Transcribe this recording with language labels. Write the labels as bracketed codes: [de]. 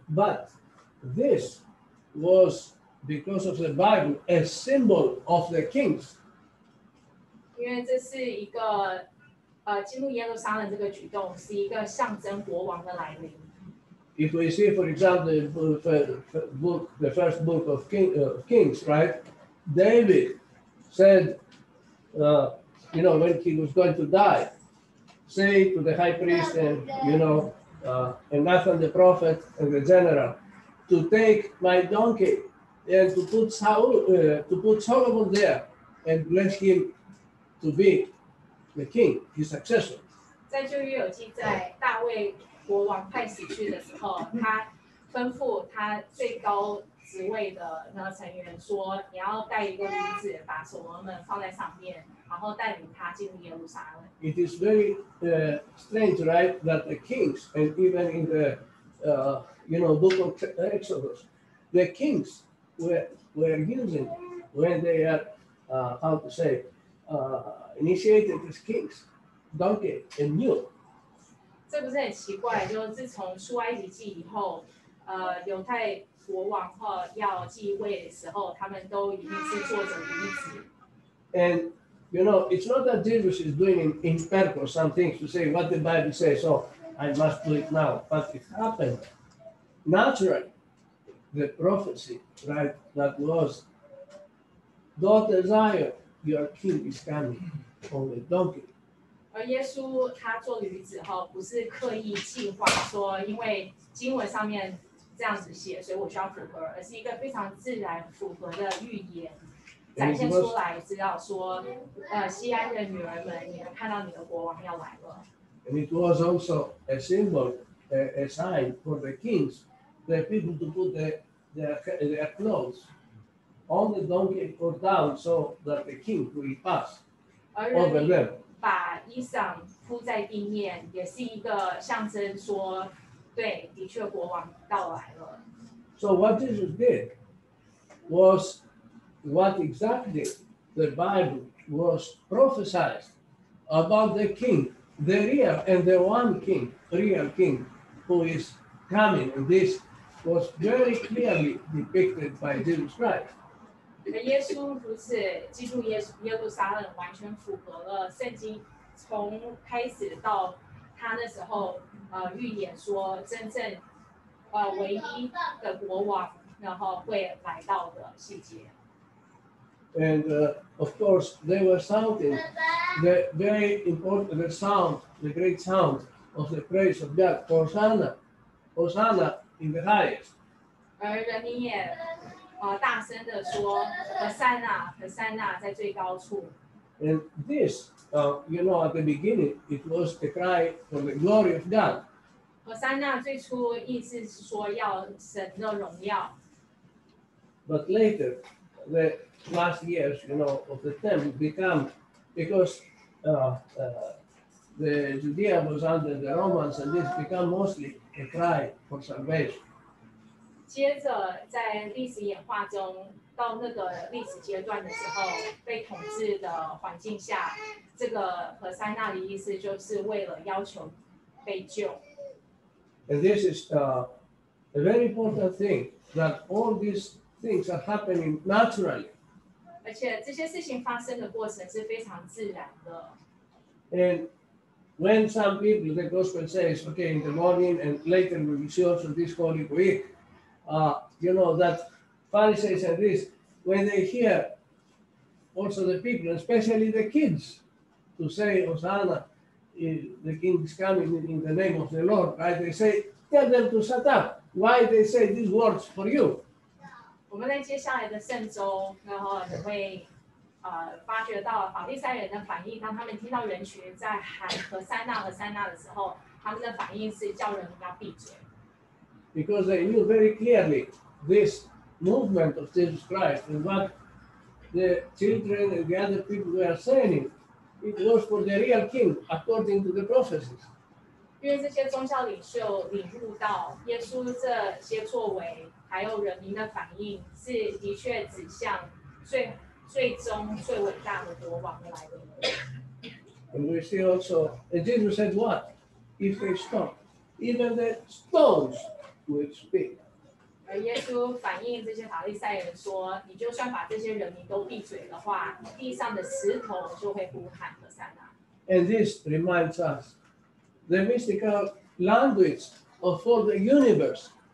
[en] But this was because of the Bible, a symbol of the kings. [zh] 因为这是一个进入耶路撒冷这个举动是一个象征国王的来临。 [en] If we see, for example, the first book of Kings, right? David said, you know, when he was going to die, say to the high priest and, you know, and Nathan the prophet and the general, to take my donkey and to put Saul, to put Solomon there and bless him to be the king, his successor. [zh] 在旧约有记，在大卫国王快死去的时候，他吩咐他最高职位的那个成员说：“你要带一个驴子，把所罗门放在上面，然后带领他进入耶路撒冷。” [en] It is very strange, right, that the kings and even in the you know, book of Exodus, the kings were using when they are how to say initiated as kings. Donkey and mule. [zh] 这不是很奇怪，就是自从出埃及记以后，犹太国王或要继位的时候，他们都一定是坐着驴子。 [en] And you know, it's not that Jesus is doing in purpose some things to say what the Bible says, so I must do it now. But it happened naturally. The prophecy, right, that was, Daughter Zion, your king is coming on the donkey. [zh] 而耶稣他做驴子后，不是刻意计划说，因为经文上面这样子写，所以我需要符合，而是一个非常自然符合的预言，展现出来，知道说，西安的女儿们，你们看到你的国王要来了。 [en] And it was also a symbol, a sign for the kings, the people to put their clothes on the donkey or down so that the king will pass over them. [zh] 把衣裳铺在地面，也是一个象征，说，对，的确国王到来了。 [en] So what Jesus did was what exactly the Bible was prophesied about the king, the real and the one king, real king, who is coming. And this was very clearly depicted by Jesus Christ. [zh] 耶稣如此进入耶路撒冷，完全符合了圣经从开始到他那时候预言说，真正唯一的国王然后会来到的细节。 [en] And of course, they were shouting the very important the sound, the great sound of the praise of God, Hosanna, Hosanna in the highest. [zh] 而人民也。大声地说，何塞纳，何塞纳在最高处。 [en] And this, you know, at the beginning, it was a cry for the glory of God. [zh] 何塞纳最初意思是说要神的荣耀。 [en] But later, the last years, you know, of the temple become, because the Judea was under the Romans, and this become mostly a cry for salvation. [zh] 接着在历史演化中，到那个历史阶段的时候，被统治的环境下，这个何塞纳的意思就是为了要求被救。 [en] And this is a very important thing, that all these things are happening naturally. [zh] 而且这些事情发生的过程是非常自然的。 [en] And when some people, the gospel says, okay, in the morning and later we will see also this Holy Week,you know, that Pharisees and this, when they hear also the people, especially the kids, to say, Hosanna, the king is coming in the name of the Lord, right? They say, tell them to shut up. Why they say these words for you? [zh] 我们在接下来的圣周，然后你会发觉到法利赛人的反应，当他们听到人群在喊和塞纳和塞纳的时候，他们的反应是叫人要闭嘴。 [en] Because they knew very clearly this movement of Jesus Christ and what the children and the other people were saying, it was for the real king according to the prophecies. [zh] 因为这些宗教领袖领悟到耶稣这些作为还有人民的反应是的确指向最终最伟大的国王的来临。 [en] And we see also, and Jesus said, "What if they stop? Even the stones." Which speak. [zh] 而耶稣反映这些法利赛人说，你就算把这些人民都闭嘴的话，地上的石头就会呼喊何塞纳。 [en] And this reminds us the mystical language of all the universe.